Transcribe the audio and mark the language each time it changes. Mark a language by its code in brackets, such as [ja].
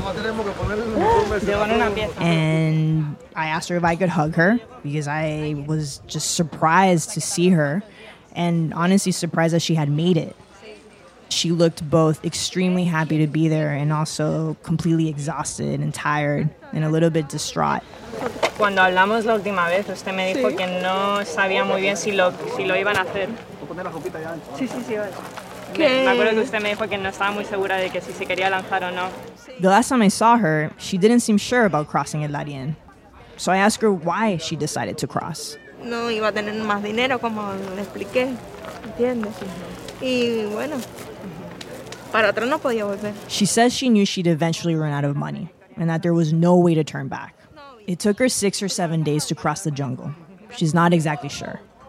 [en] And I asked her if I could hug her because I was just surprised to see her and honestly surprised that she had made it. She looked both extremely happy to be there and also completely exhausted and tired and a little bit distraught. [es] Cuando hablamos la última vez, usted me dijo que no sabía muy bien si lo iban a hacer. [en] The last time I saw her, she didn't seem sure about crossing El Darién. So I asked her why she decided to cross. [es] No iba a tener más dinero, como le expliqué. ¿Entiendes? Y bueno, para atrás no podía volver. [en] She says she knew she'd eventually run out of money and that there was no way to turn back. It took her 6 or 7 days to cross the jungle. She's not exactly sure.